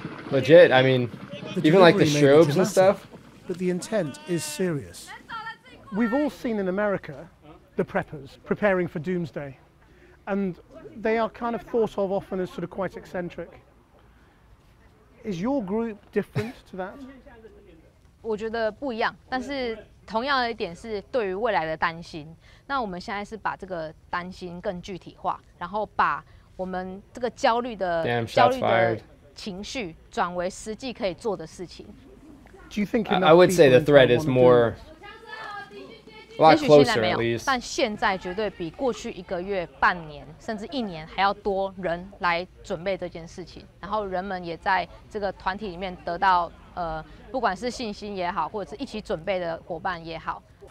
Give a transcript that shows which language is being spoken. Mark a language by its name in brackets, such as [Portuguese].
[English] Legit, I mean, even like the strobes and stuff. But the intent is serious. We've all seen in America the preppers preparing for doomsday. And they are kind of thought of often as sort of quite eccentric. Is your group different to that? [Chinese] 我觉得不一样，但是同样的一点是对于未来的担心。那我们现在是把这个担心更具体化，然后把我们这个焦虑的情绪转为实际可以做的事情。 [English] Do you think I would say the threat is more a lot closer, at least. [Chinese] 但现在绝对比过去一个月、半年甚至一年还要多人来准备这件事情，然后人们也在这个团体里面得到不管是信心也好，或者是一起准备的伙伴也好。